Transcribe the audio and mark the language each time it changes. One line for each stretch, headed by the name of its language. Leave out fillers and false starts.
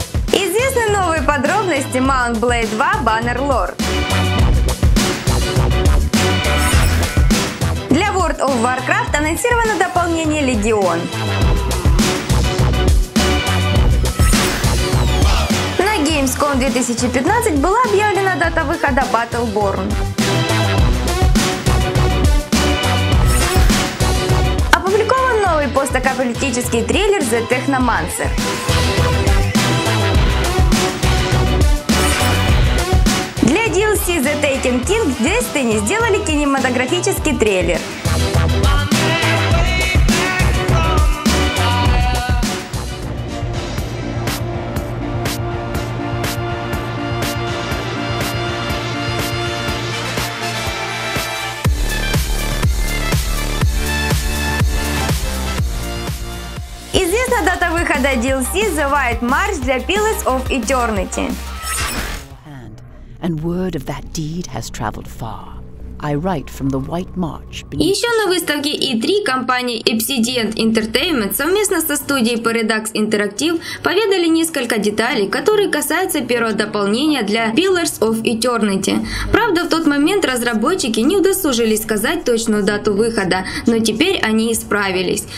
Russian: Известны новые подробности Mount Blade 2 Banner Lord. Для World of Warcraft анонсировано дополнение Легион. Gamescom 2015 была объявлена дата выхода Battleborn. Опубликован новый постапокалиптический трейлер The Technomancer. Для DLC The Taken King Destiny сделали кинематографический трейлер. Дата выхода DLC The White March для Pillars of Eternity.
English: And word of that deed has traveled far. I write from the White March.
Russian: Еще на выставке E3 компания Obsidian Entertainment совместно со студией Paradox Interactive поведали несколько деталей, которые касаются первого дополнения для Pillars of Eternity. Правда, в тот момент разработчики не удосужились сказать точную дату выхода, но теперь они исправились.